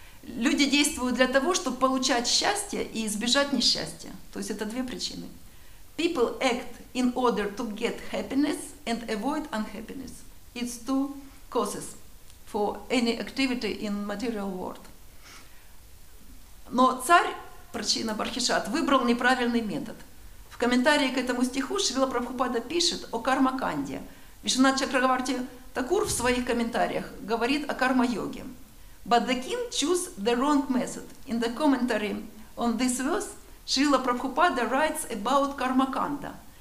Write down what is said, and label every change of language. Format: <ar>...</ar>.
<ru>Люди действуют для того, чтобы получать счастье и избежать несчастья. То есть это две причины.</ru> <en>People act in order to get happiness and avoid unhappiness. It's two causes for any activity in material world.</en> <ru>Но царь, причина Бархишат, выбрал неправильный метод. В комментарии к этому стиху Шрила Прабхупада пишет о карма-канде. Вишванат Чакраварти Такур в своих комментариях говорит о карма-йоге.</ru> <en>But the king choose the wrong method. In the commentary on this verse, Шрила Прабхупада writes about карма-канда.</en>